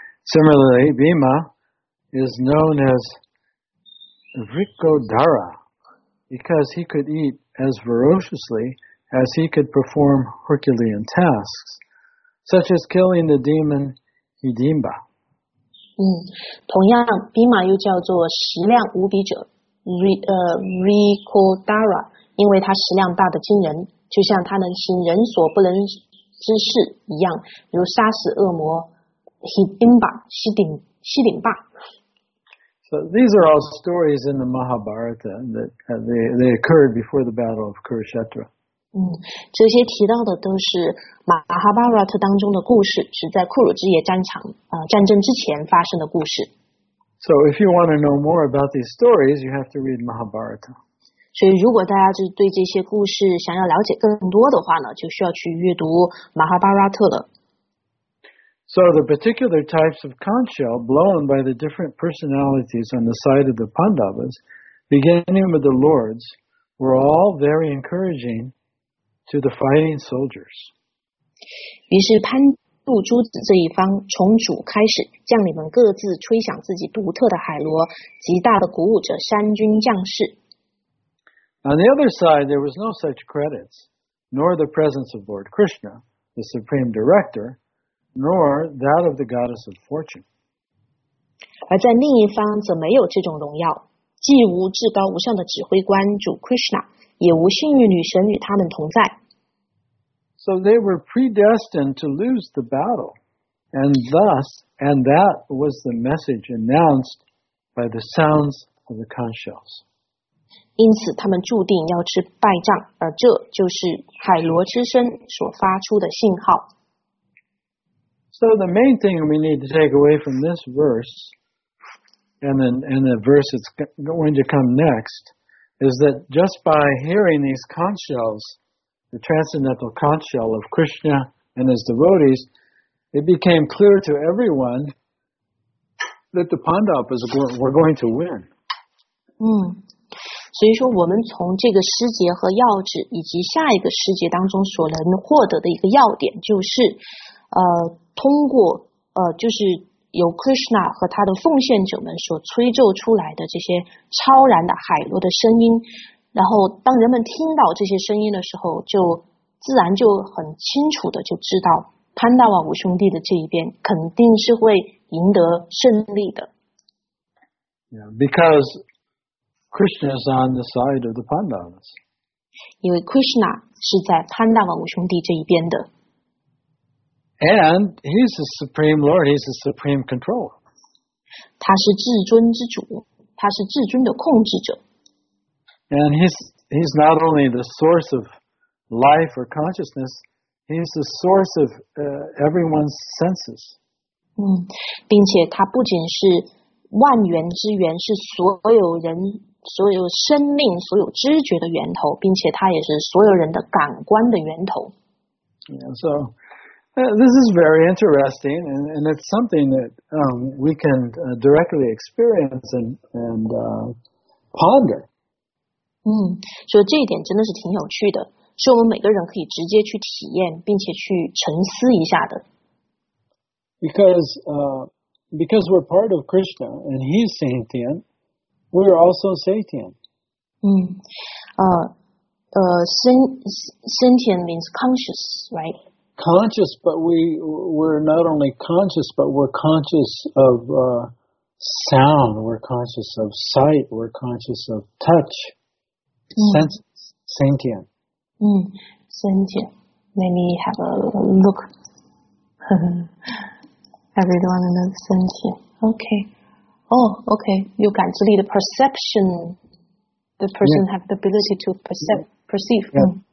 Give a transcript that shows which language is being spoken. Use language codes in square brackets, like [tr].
[en] Similarly, Bhima is known as Vrikodara because he could eat as voraciously as he could perform Herculean tasks, such as killing the demon Hidimba. [zh] 同样 ,Bhima 又叫做食量无比者 Vrikodara, 因为他食量大得惊人，就像他能行人所不能之事一样，如杀死恶魔Hidimba. [en] So these are all stories in the Mahabharata that they occurred before the battle of Kurukshetra. [zh] 这些提到的都是 Mahabharata 当中的故事，是在库鲁之野战场战争之前发生的故事。 [en] So if you want to know more about these stories, you have to read Mahabharata. [zh] 所以如果大家就对这些故事想要了解更多的话呢，就需要去阅读 Mahabharata 了。 [en] So the particular types of conch shell blown by the different personalities on the side of the Pandavas, beginning with the lords, were all very encouraging to the fighting soldiers. [zh] 于是潘杜珠子这一方从主开始，将你们各自吹响自己独特的海螺，极大的鼓舞着三军将士。 [en] On the other side, there was no such credits, nor the presence of Lord Krishna, the supreme director,nor that of the goddess of fortune. [zh] 而在另一方则没有这种荣耀，既无至高无上的指挥官主 Krishna， 也无幸运女神与他们同在。 [en] So they were predestined to lose the battle, and that was the message announced by the sounds of the conch shells. [zh] 因此他们注定要吃败仗，而这就是海螺之声所发出的信号。 [en] So the main thing we need to take away from this verse and the verse that's going to come next is that just by hearing these conch shells, the transcendental conch shell of Krishna and his devotees, it became clear to everyone that the Pandavas were going to win. [zh] 所以说我们从这个诗节和要旨以及下一个诗节当中所能获得的一个要点就是通过就是由 Krishna 和他的奉献者们所吹奏出来的这些超然的海螺的声音，然后当人们听到这些声音的时候，就自然就很清楚的就知道潘大瓦五兄弟的这一边肯定是会赢得胜利的。 [en] Yeah, because Krishna is on the side of the Pandavas. [zh] 因为 Krishna 是在潘大瓦五兄弟这一边的。 [en] And he's the supreme lord, he's the supreme controller. [zh] 他是至尊之主，他是至尊的控制者。 [en] And he's not only the source of life or consciousness, he's the source of everyone's senses. [zh] 并且他不仅是万源之源，是所有人所有生命所有知觉的源头，并且他也是所有人的感官的源头。 [en] Yeah, so this is very interesting, and it's something that we can directly experience and ponder. [zh] 所以这一点真的是挺有趣的，是我们每个人可以直接去体验并且去沉思一下的。 [en] Because we're part of Krishna and he's sentient, we're also sentient. Sentient means conscious, right? Conscious, but we're not only conscious, but we're conscious of sound, we're conscious of sight, we're conscious of touch. Sentient. Sentient. Let me have a look. Everyone is sentient. Okay. Oh, okay. [zh] 有感知力的 perception. [en] The person、 yeah. have the ability to perceive.